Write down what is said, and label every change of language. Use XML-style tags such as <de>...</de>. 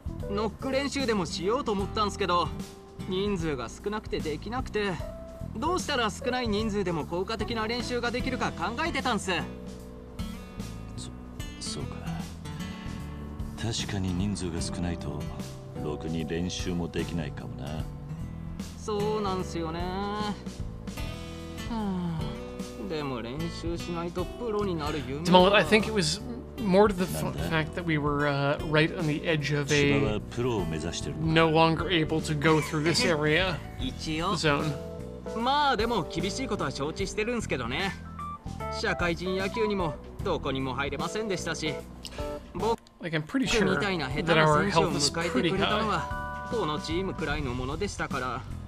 <ja>ノック練習でもしようと思ったんすけど、人数が少なくてできなくて、どうしたら少ない人数でも効果的な練習ができるか考えてたんす。そうか。確かに人数が少ないと、ろくに練習もできないかもな。そうなんすよね。</ja> <en>Demo, I think it was more to the fact that we were right on the edge of a no longer able to go through this area zone.</en> <ja>まあでも厳しいことは承知してるんすけどね。社会人野球にもどこにも入れませんでしたし、僕みたいな下手な選手を迎えてくれたのはこのチームくらいのものでしたから。</ja>